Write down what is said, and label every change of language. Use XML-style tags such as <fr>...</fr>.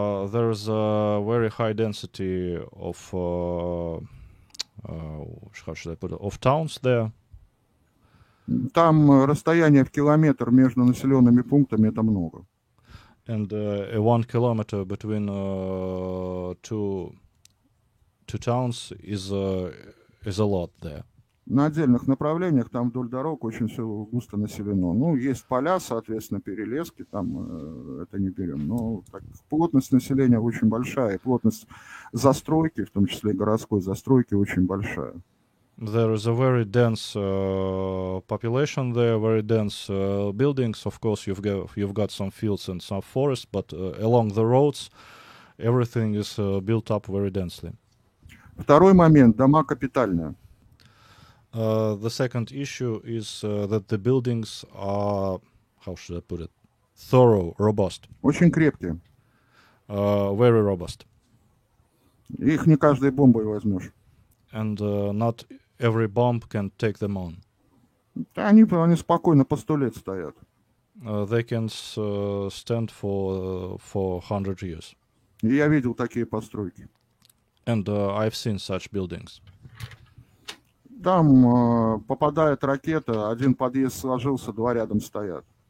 <en>There is a very high density of how should I put it, of towns there.</en> <ru>Там расстояние в километр между населенными пунктами — это много.</ru> <en>And a 1 kilometer between two towns is a lot there.</en> <ru>На отдельных направлениях, там вдоль дорог, очень все густо населено. Ну, есть поля, соответственно, перелески, там это не берем. Но так, плотность населения очень большая, и плотность застройки, в том числе и городской застройки, очень большая.</ru> <en>There is a very dense population there, very dense buildings. Of course, you've got some fields and some forests, but along the roads everything is built up very densely.</en> <ru>Второй момент — дома капитальные.</ru> <en>The second issue is that the buildings are, how should I put it, thorough, robust.</en> <ru>Очень крепкие.</ru> <en>Very robust.</en> <ru>Их не каждой бомбой возьмешь.</ru> <en>And not every bomb can take them on.</en> <ru>Да, они спокойно по 100 лет стоят.</ru> <en>They can stand for 100 years.</en> <ru>Я видел такие постройки.</ru> <en>And I've seen such buildings.</en> <ru>Там попадает ракета, один подъезд сложился, два рядом стоят.</ru>